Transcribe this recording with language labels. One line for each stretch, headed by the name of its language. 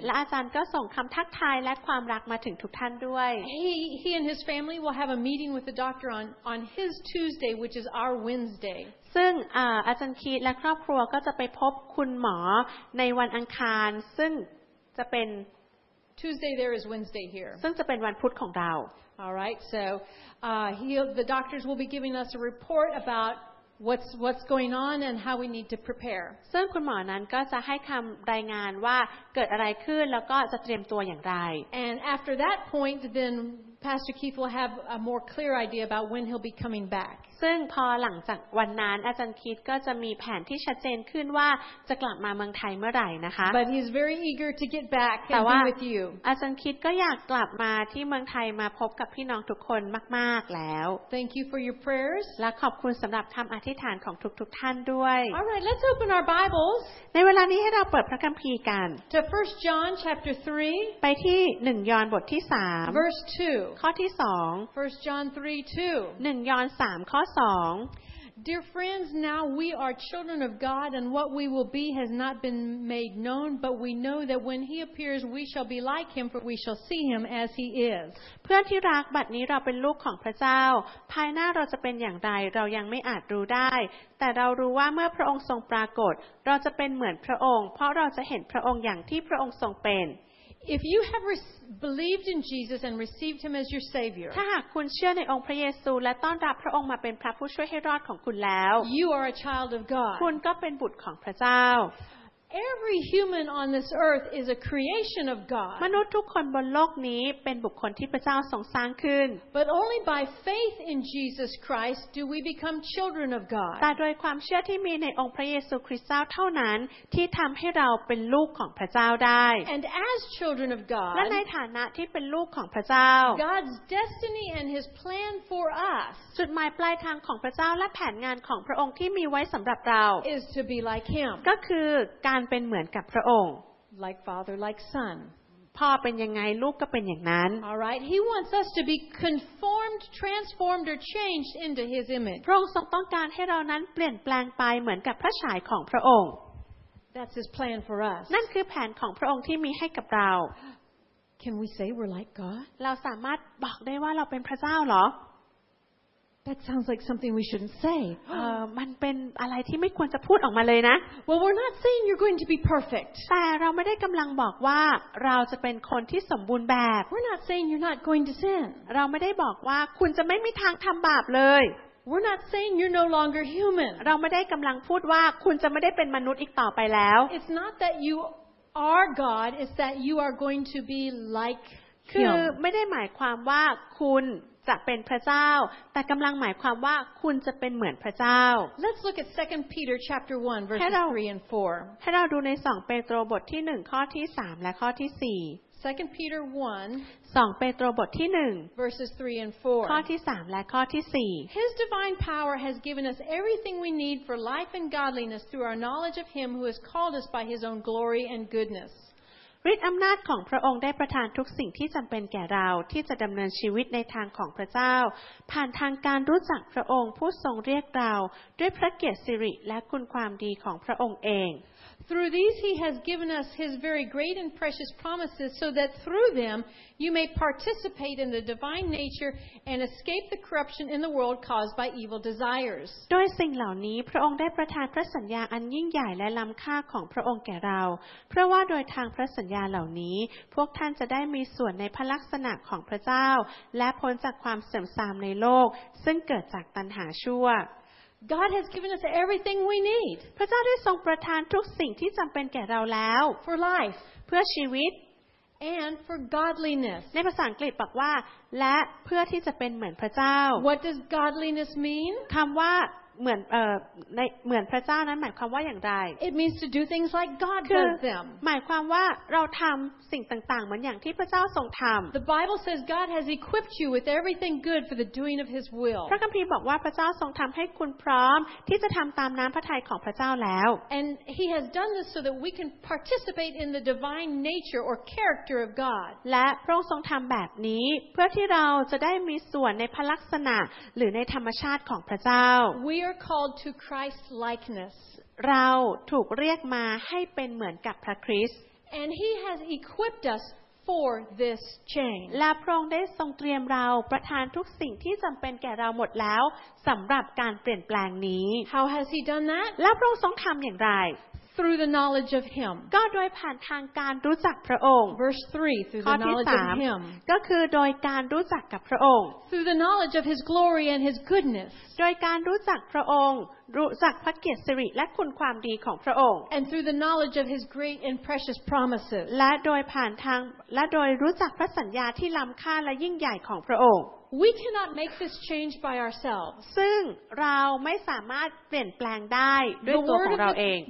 Thai: และอาจารย์ก็ส่งคำทักทายและความรักมาถึงทุกท่านด้วย
English: He and his family will have a meeting with the doctor on his Tuesday, which is our Wednesday.
Thai: ซึ่งอาจารย์คิดและครอบครัวก็จะไปพบคุณหมอในวันอังคารซึ่งจะเป็น
English: Tuesday there is Wednesday here.
Thai: ซึ่งจะเป็นวันพุธของเรา
English: All right. So, the doctors will be giving us a report about what's going on and how we need to prepare
Thai: ซึ่งคุณหมอนั้นก็จะให้คำรายงานว่าเกิดอะไรขึ้นแล้วก็จะเตรียมตัวอย่างไร
English: And after that point then Pastor Keith will have a more clear idea about when he'll be coming back
Thai: ซึ่งพอหลังจากวันนั้นอาจารย์คีธก็จะมีแผนที่ชัดเจนขึ้นว่าจะกลับมาเมืองไทยเมื่อไหร่นะคะ
English: But he's very eager to get back and be with you
Thai: อาจารย์คีธก็อยากกลับมาที่เมืองไทยมาพบกับพี่น้องทุกคนมากๆแล้ว
English: Thank you for your prayers
Thai: และขอบคุณสำหรับคำอธิษฐานของทุกๆท่านด้วย
English: All right let's open our bibles
Thai: ในเวลานี้ให้เราเปิดพระคัมภีร์กัน
English: To 1 John chapter 3
Thai: ไปที่1ยอห์นบทที่3
English: Verse 2
Thai: ข้อที่2
English: 1 John 3:2
Thai: 1ยอห์น3ข้อ2
English: Dear friends, now we are children of God, and what we will be has not been made known, but we know that when He appears, we shall be like Him, for we shall see Him as He is.
Thai: เพื่อนที่รักบัดนี้เราเป็นลูกของพระเจ้าภายหน้าเราจะเป็นอย่างไรเรายังไม่อาจรู้ได้แต่เรารู้ว่าเมื่อพระองค์ทรงปรากฏเราจะเป็นเหมือนพระองค์เพราะเราจะเห็นพระองค์อย่างที่พระองค์ทรงเป็น
English: If you have believed in Jesus and received him as your savior
Thai: ถ้าหากคุณเชื่อในองค์พระเยซูและต้อนรับพระองค์มาเป็นพระผู้ช่วยให้รอดของคุณแล้ว
English: You are a child of God
Thai: คุณก็เป็นบุตรของพระเจ้า
English: Every human on this earth is a creation of God
Thai: มนุษย์ทุกคนบนโลกนี้เป็นบุคคลที่พระเจ้าทรงสร้างขึ้น
English: But only by faith in Jesus Christ do we become children of God
Thai: แต่โดยความเชื่อที่มีในองค์พระเยซูคริสต์เท่านั้นที่ทําให้เราเป็นลูกของพระเจ้าได้
English: And as children of God
Thai: และในฐานะที่เป็นลูกของพระเจ้า
English: God's destiny and his plan for us
Thai: จุดหมายปลายทางของพระเจ้าและแผนงานของพระองค์ที่มีไว้สําหรับเรา
English: is to be like him
Thai: ก็คือการเป็นเหมือนกับพระองค์
English: like father like son
Thai: พ่อเป็นยังไงลูกก็เป็นอย่างนั้น
English: all right he wants us to be conformed transformed or changed into his image
Thai: พระองค์ทรงต้องการให้เรานั้นเปลี่ยนแปลงไปเหมือนกับพระฉายของพระองค์
English: that's his plan for us
Thai: นั่นคือแผนของพระองค์ที่มีให้กับเรา
English: can we say we're like god
Thai: เราสามารถบอกได้ว่าเราเป็นพระเจ้าหรอ
English: That sounds like something we shouldn't say.
Thai: มันเป็นอะไรที่ไม่ควรจะพูดออกมาเลยนะ
English: Well, we're not saying you're going to be perfect.
Thai: แต่เราไม่ได้กำลังบอกว่าเราจะเป็นคนที่สมบูรณ์แบบ
English: We're not saying you're not going to sin.
Thai: เราไม่ได้บอกว่าคุณจะไม่มีทางทำบาปเลย
English: We're not saying you're no longer human.
Thai: เราไม่ได้กำลังพูดว่าคุณจะไม่ได้เป็นมนุษย์อีกต่อไปแล้ว
English: It's not that you are God. It's that you are going to be like Him.
Thai: คือไม่ได้หมายความว่าคุณจะเป็นพระเจ้าแต่กำลังหมายความว่าคุณจะเป็นเหมือนพระเจ้า
English: Let's look at 2 Peter chapter 1 verses 3 and 4
Thai: ให้เราดูใน2เปโตรบทที่1ข้อที่3และข้อที่4
English: 2 Peter 1
Thai: 2เปโตรบทที่1
English: verses 3 and 4
Thai: ข้อที่3และข้อที่4
English: His divine power has given us everything we need for life and godliness through our knowledge of him who has called us by his own glory and goodness
Thai: ฤทธิ์อำนาจของพระองค์ได้ประทานทุกสิ่งที่จำเป็นแก่เราที่จะดำเนินชีวิตในทางของพระเจ้าผ่านทางการรู้จักพระองค์ผู้ทรงเรียกเราด้วยพระเกียรติสิริและคุณความดีของพระองค์เอง
English: Through these he has given us his very great and precious promises so that through them you may participate in the divine nature and escape the corruption in the world caused by evil desires
Thai: โดยสิ่งเหล่านี้พระองค์ได้ประทานพระสัญญาอันยิ่งใหญ่และล้ำค่าของพระองค์แก่เราเพราะว่าโดยทางพระสัญญาเหล่านี้พวกท่านจะได้มีส่วนในพระลักษณะของพระเจ้าและพ้นจากความเสื่อมทรามในโลกซึ่งเกิดจากตัณหาชั่ว
English: God has given us everything we need
Thai: พระเจ้าได้ทรงประทานทุกสิ่งที่จำเป็นแก่เราแล้ว
English: for life
Thai: เพื่อชีวิต
English: and for godliness
Thai: ในภาษาอังกฤษบอกว่าและเพื่อที่จะเป็นเหมือนพระเจ้า
English: What does godliness mean
Thai: คำว่าเหมือนในเหมือนพระเจ้านั้นหมายความว่าอย่างไร
English: It means to do things like God does them
Thai: หมายความว่าเราทำสิ่งต่างๆเหมือนอย่างที่พระเจ้าทรงทำ
English: The Bible says God has equipped you with everything good for the doing of His will
Thai: พระคัมภีร์บอกว่าพระเจ้าทรงทำให้คุณพร้อมที่จะทำตามน้ำพระทัยของพระเจ้าแล้ว
English: And He has done this so that we can participate in the divine nature or character of God
Thai: และพระองค์ทรงทำแบบนี้เพื่อที่เราจะได้มีส่วนในพระลักษณะหรือในธรรมชาติของพระเจ้า
English: We are called to Christ's likeness.
Thai: เราถูกเรียกมาให้เป็นเหมือนกับพระคริสต์
English: And He has equipped us for this change.
Thai: และพระองค์ได้ทรงเตรียมเราประทานทุกสิ่งที่จำเป็นแก่เราหมดแล้วสำหรับการเปลี่ยนแปลงนี้
English: How has He done that?
Thai: และพระองค์ทรงทำอย่างไร
English: through the knowledge of him
Thai: ก็โดยผ่านทางการรู้จักพระองค์
English: verse 3 through the knowledge of him
Thai: ก็คือโดยการรู้จักกับพระองค์
English: through the knowledge of his glory and his goodness
Thai: โดยการรู้จักพระองค์รู้จักพระเกียรติสิริและคุณความดีของพระองค์
English: and through the knowledge of his great and precious promises
Thai: และโดยผ่านทางและโดยรู้จักพระสัญญาที่ล้ำค่าและยิ่งใหญ่ของพระองค์
English: We cannot make this change by ourselves.
Thai: ซึ่งเราไม่สามารถเปลี่ยนแปลงได้ด้วยตัวของเราเอง